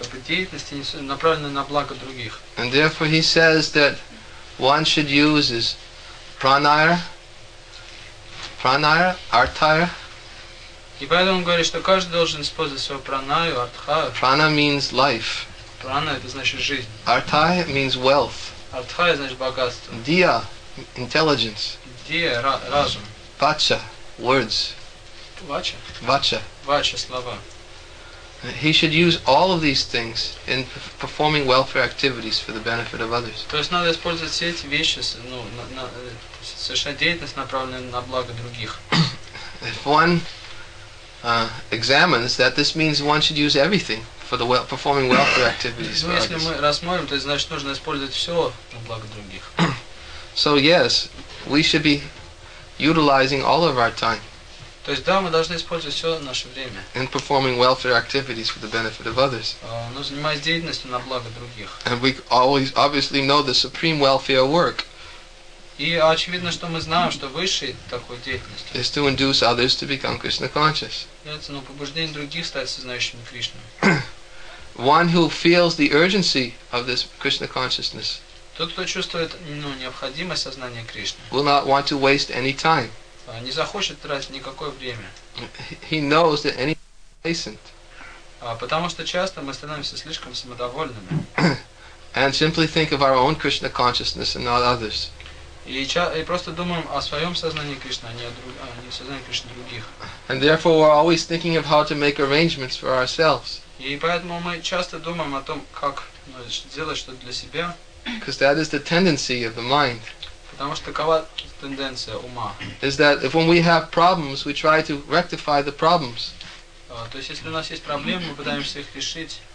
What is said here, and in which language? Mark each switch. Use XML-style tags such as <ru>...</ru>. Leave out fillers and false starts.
<en>And therefore he says that one should use his pranayara, artaya.</en> <ru>И поэтому он говорит, что каждый должен использовать свою пранаю, артхаю.</ru> <en>Prana means life.</en> <ru>Prana это значит жизнь.</ru> <en>Artaya means wealth.</en> <ru>Artaya значит богатство.</ru> <en>Dia, intelligence.</en> <ru>Dia, разум.</ru> <en>Vacha, words.</en> <sa>Vacha. Vacha.</sa> <ru>Vacha, слова.</ru> <en>He should use all of these things in performing welfare activities for the benefit of others.</en> <ru>То есть надо использовать все эти вещи, ну, на совершать деятельность, направленную на благо других.</ru> <en>If one examines that, this means one should use everything for the performing welfare activities.</en> <ru>Ну, если мы рассмотрим, то значит нужно использовать все на благо других.</ru> <en>So yes, we should be utilizing all of our time.</en> <ru>То есть да, мы должны использовать все наше время.</ru> <en>In performing welfare activities for the benefit of others.</en> <ru>Ну, занимаясь деятельностью на благо других.</ru> <en>And we always obviously know the supreme welfare work.</en> <ru>И очевидно, что мы знаем, что высшей такой деятельностью.</ru> <en>Is to induce others to become Krishna conscious.</en> <ru>Это, ну, побуждение других стать сознающими Кришну.</ru> <en>One who feels the urgency of this Krishna consciousness.</en> <ru>Тот, кто чувствует, ну, необходимость сознания Кришны.</ru> <en>Will not want to waste any time.</en> <ru>Не захочет тратить никакое время.</ru> <en>He knows that any complacent.</en> <ru>Потому что часто мы становимся слишком самодовольными.</ru> <en>And simply think of our own Krishna consciousness and not others.</en> <ru>И просто думаем о своем сознании Кришны, а не о сознании Кришны других.</ru> <en>And therefore we're always thinking of how to make arrangements for ourselves.</en> <ru>И поэтому мы часто думаем о том, как сделать что-то для себя.</ru> <en>Because that is the tendency of the mind.</en> <ru>Потому что такова тенденция ума.</ru> <en>Is that if when we have problems, we try to rectify the problems.</en> <ru>То есть если у нас есть проблемы, мы пытаемся их решить.</ru>